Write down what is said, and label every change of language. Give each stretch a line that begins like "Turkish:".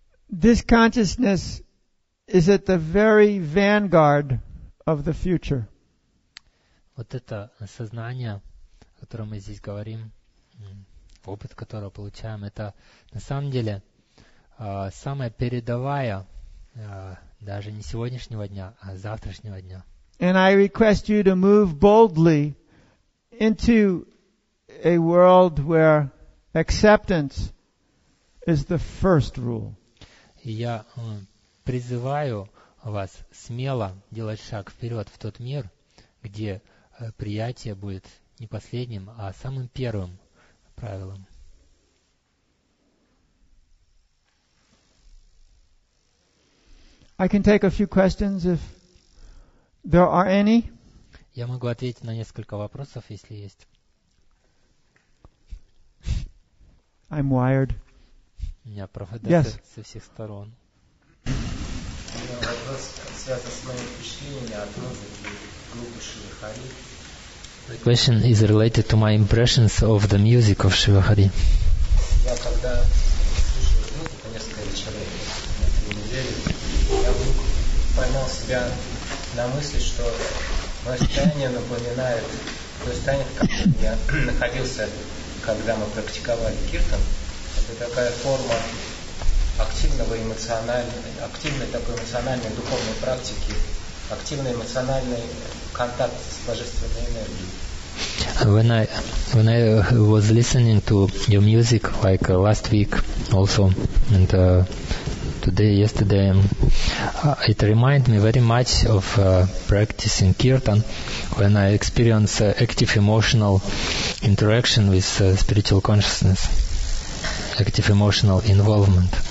English: This consciousness is at the very vanguard of the future.
Russian: Вот это сознание, о котором мы здесь говорим, опыт, который получаем, это на самом деле самая передовая, даже не сегодняшнего дня, а завтрашнего дня.
English: And I request you to move boldly into a world where acceptance is the first rule.
Russian: Я призываю вас смело делать шаг вперед в тот мир, где приятие будет не последним, а самым первым правилом.
English: I can take a few questions if there are any.
Russian: Я могу ответить на несколько вопросов, если есть.
English: I'm wired.
Russian: У меня провода со всех сторон. У меня вопрос связан с моими впечатлениями от музыки группы Шива Хари.
English: The question is related to my impressions of the music of Шива Хари.
Russian: Я когда слушал музыку несколько вечеров на этой неделе, я вдруг поймал себя на мысли, что мое состояние напоминает то состояние, в котором я находился, когда мы практиковали киртан. Это такая форма активной такой эмоциональной духовной практики, активный эмоциональный контакт с божественной энергией.
English: When I was listening to your music, like last week also, and today, yesterday, it reminded me very much of practicing kirtan, when I experience active emotional interaction with spiritual consciousness, active emotional involvement.